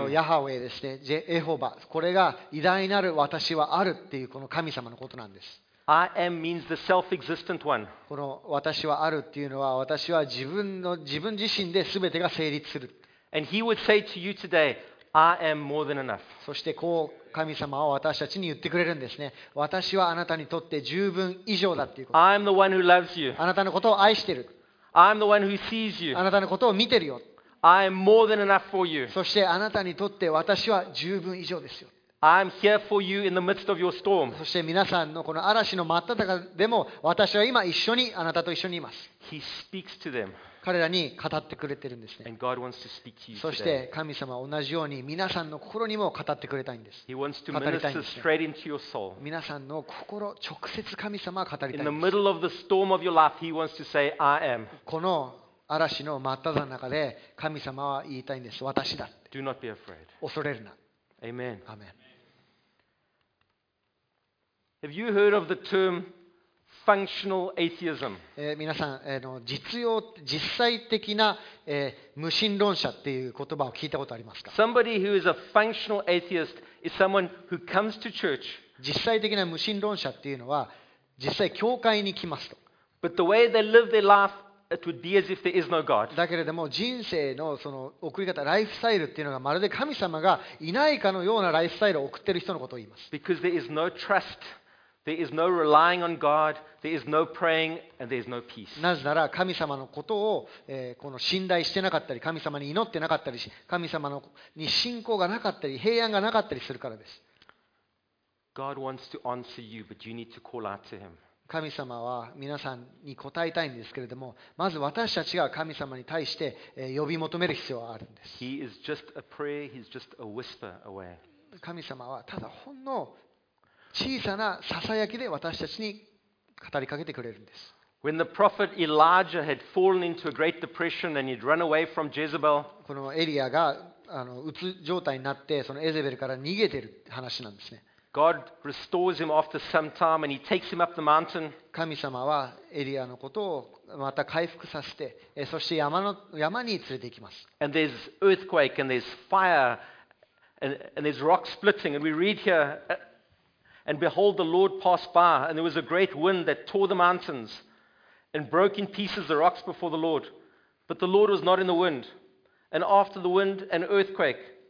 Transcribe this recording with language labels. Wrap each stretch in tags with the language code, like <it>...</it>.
<ja>このヤハウェですね、エホバ。これが偉大なる私はあるっていうこの神様のことなんです。</ja> <en>I am means the self-existent one.</en> <ja>この私はあるっていうのは私は自分自身で全てが成立する。</ja> <en>And he would say to you today, I am more than enough.</en> <ja>そしてこう神様は私たちに言ってくれるんですね。私はあなたにとって十分以上だっていうこと。</ja> <en>I am the one who loves you.</en> <ja>あなたのことを愛してる。</ja> <en>I am the one who sees you.</en> <ja>あなたのことを見てるよ。</ja> <en>I am more than enough for you.</en> <ja>そしてあなたにとって私は十分以上ですよ。</ja> <en>I am here for you in the midst of your storm.</en> <ja>そして皆さんのこの嵐の真っ只中でも私は今一緒にあなたと一緒にいます。</ja> <en>He speaks to them.</en> <ja>彼らに語ってくれてるんですね。</ja> <en>And God wants to speak to you today.</en> <ja>そして神様は同じように皆さんの心にも語ってくれたいんです。</ja> <en>He wants to minister straight into your soul.</en> <ja>皆さんの心、直接神様は語りたいんです。</ja> <en>In the middle of the storm of your life, He wants to say, I am.</en> <ja>この嵐の真っ只中で神様は言いたいんです。私だって。</ja> <en>Do not be afraid.</en> <ja>恐れるな。</ja> <en>Amen. Amen. Have you heard of the term? Functional atheism.</en> <ja>皆さん、実際的な、無神論者っていう言葉を聞いたことありますか？</ja> <en>Somebody who is a functional atheist is someone who comes to church.</en> <ja>実際的な無神論者っていうのは実際教会に来ますと。</ja> <en>But the way they live their life, it would be as if there is no God.</en> <ja>だけれども人生のその送り方、ライフスタイルっていうのがまるで神様がいないかのようなライフスタイルを送ってる人のことを言います。</ja> <en>Because there is no trust. There is no relying on God, there is no praying, and there is no peace.</en> <ja>なぜなら神様のことを、この信頼してなかったり、神様に祈ってなかったり、神様のに信仰がなかったり、平安がなかったりするからです。</ja> <en>God wants to answer you, but you need to call out to him.</en> <ja>神様は皆さんに答えたいんですけれども、まず私たちが神様に対して、呼び求める必要があるんです。</ja> <en>He is just a prayer, he's just a whisper away.</en> <ja>神様はただほんの小さなささやきで私たちに語りかけてくれるんです。</ja> <en>When the prophet Elijah had fallen into a great depression and he'd run away from Jezebel,</en> <ja>このエリアがうつ状態になって、そのエゼベルから逃げてる話なんですね。</ja> <en>God restores him after some time and he takes him up the mountain.</en> <ja>神様はエリアのことをまた回復させて、そして山に連れて行きます。</ja> <en>And there's earthquake and there's fire and there's rock splitting and we read here. And behold, the Lord passed by, and there was a great wind that tore the mountains and broke in pieces the rocks before the Lord. But the Lord was not in the wind. And after the wind, an earthquake.</en>